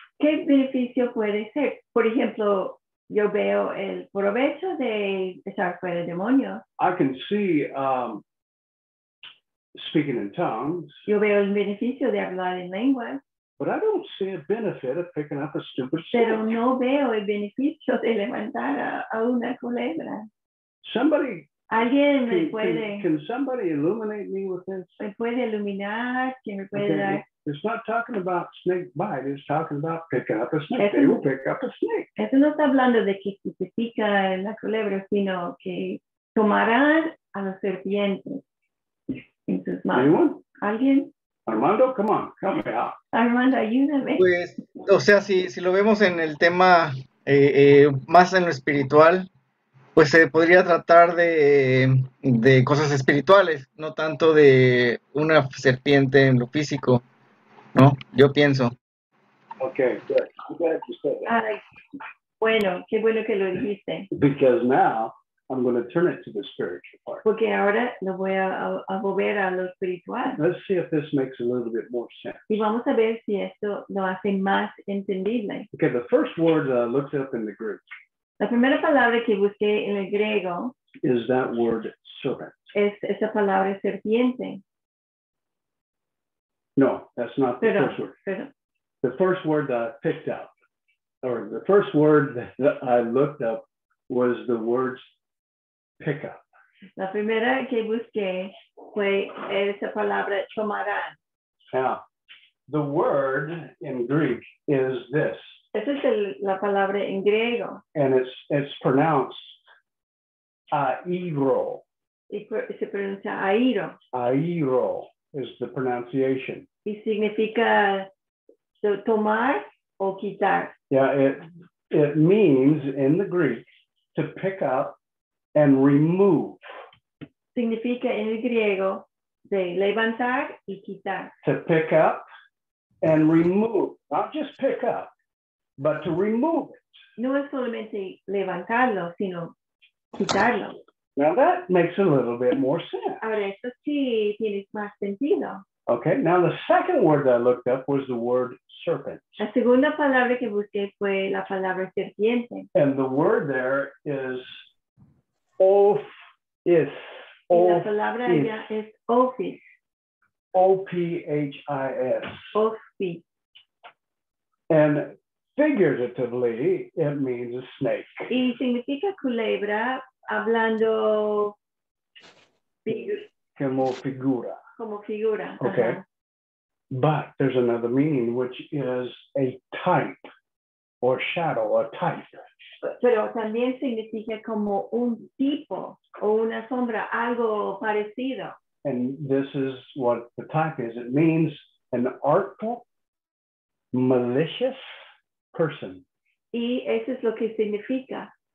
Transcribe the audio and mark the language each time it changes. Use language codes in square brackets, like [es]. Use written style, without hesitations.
[es] ¿Qué beneficio puede ser? Por ejemplo. Yo veo el provecho de estar fuera de demonios. [en] I can see speaking in tongues. [es] Yo veo el beneficio de hablar en lenguas. [en] But I don't see a benefit of picking up a stupid snake. [es] Pero no veo el beneficio de levantar a una culebra. [en] Somebody. [es] Alguien me puede. [en] Can somebody illuminate me with this? [es] Me puede iluminar. Que me puede okay. Dar. [en] It's not talking about snake bite. It's talking about picking up a snake. Eso, they will pick up a snake. [es] Eso no está hablando de que si se pica en la culebra, sino que tomarán a los serpientes en sus manos. [en] Anyone? [es] ¿Alguien? [en] Armando, come on. Come here. [es] Armando, ayúdame. Pues, o sea, si lo vemos en el tema más en lo espiritual, pues se podría tratar de cosas espirituales, no tanto de una serpiente en lo físico. No, yo pienso. [en] Okay, good. I'm glad you said that. [es] Bueno, qué bueno que lo dijiste. [en] Because now I'm going to turn it to the spiritual part. [es] Porque ahora lo voy a volver a lo espiritual. [en] Let's see if this makes a little bit more sense. [es] Y vamos a ver si esto lo hace más entendible. [en] Okay, the first word that I looked up in the Greek. [es] La primera palabra que busqué en el griego. [en] Is that word serpent. [es] Es esa palabra serpiente. [en] No, that's not the [es] pero, [en] first word. The first word that I picked up, or the first word that I looked up, was the word pick up. [es] La primera que busqué fue esa palabra tomarán. [en] Yeah. The word in Greek is this. [es] Esa es la palabra en griego. [en] And it's pronounced airo. [es] Y se pronuncia airo. [en] Airo is the pronunciation. [es] Y significa tomar o quitar. [en] Yeah, it means in the Greek to pick up and remove. [es] Significa en el griego de levantar y quitar. [en] To pick up and remove. Not just pick up, but to remove it. [es] No es solamente levantarlo, sino quitarlo. [en] Now that makes a little bit more sense. [es] Ahora eso sí tiene más sentido. [en] Okay, now the second word that I looked up was the word serpent. [es] La segunda palabra que busqué fue la palabra serpiente. [en] And the word there is ophis. [es] Y la palabra allá es ophis. [en] O-P-H-I-S. Ophis. And figuratively, it means a snake. [es] Y significa culebra, hablando como figura. Como figura. [en] Okay. Uh-huh. But there's another meaning, which is a type or shadow, a type. [es] Pero también significa como un tipo o una sombra, algo parecido. [en] And this is what the type is. It means an artful, malicious person. [es] Y eso es lo que significa.